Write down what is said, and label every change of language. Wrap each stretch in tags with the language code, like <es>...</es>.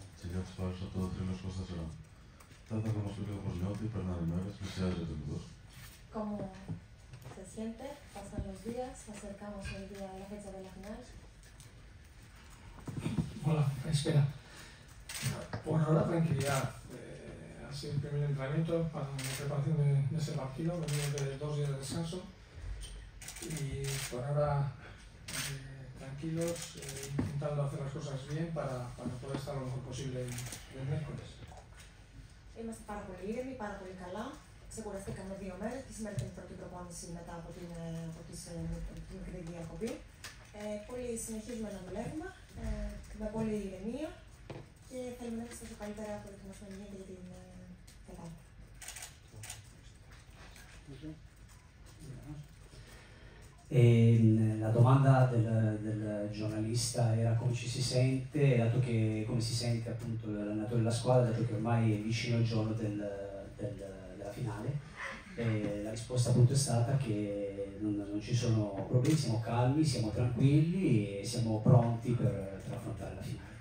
<el>Τη γεια της Πάρης, από το Τρίμιος Κώστας Ρα. Θα ήθελα να μας πει λίγο πώς νιώθει, περνάνε μέρες, πλησιάζει το λίγο.</el> <es>Como se siente, pasan los días, acercamos el día a la fecha de la final. Hola, espera. Bueno, la tranquilidad. Ha sido el primer entrenamiento para la preparación de ese partido, venimos de dos días de descanso. Y por ahora, tranquilos, intentando hacer las cosas bien para poder estar lo mejor posible el miércoles.</es> <el>Είμαστε πάρα πολύ ήρεμοι, πάρα πολύ καλά. Ξεκουραστήκαμε δύο μέρες και σήμερα είναι η πρώτη προπόνηση μετά από την μικρή διακοπή. Συνεχίζουμε να δουλεύουμε με πολύ ηρεμία και θέλουμε να είμαστε όσο καλύτερα προετοιμασμένοι για την Τετάρτη.</el> <it>La domanda del giornalista era come ci si sente, dato che come si sente appunto l'allenatore della squadra, dato che ormai è vicino il giorno della finale. E la risposta appunto è stata che non ci sono problemi, siamo calmi, siamo tranquilli e siamo pronti per affrontare la finale.</it>